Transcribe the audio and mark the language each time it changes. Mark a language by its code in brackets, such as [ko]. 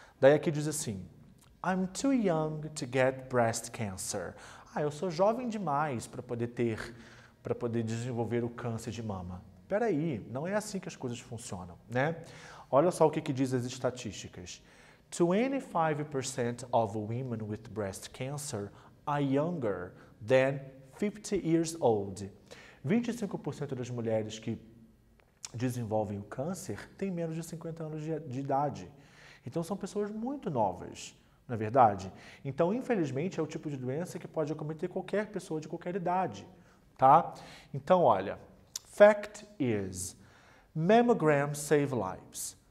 [pt] Daí aqui diz assim, [en] I'm too young to get breast cancer. [pt] Eu sou jovem demais para poder desenvolver o câncer de mama. Pera aí, não é assim que as coisas funcionam, né? Olha só o que que diz as estatísticas. [en] 25% of women with breast cancer are younger than 50 years old. [pt] 25% das mulheres que desenvolvem o câncer têm menos de 50 anos de idade. Então são pessoas muito novas. Não é verdade? Então, infelizmente, é o tipo de doença que pode acometer qualquer pessoa de qualquer idade, tá? Então, olha, [en] fact is, mammograms save lives.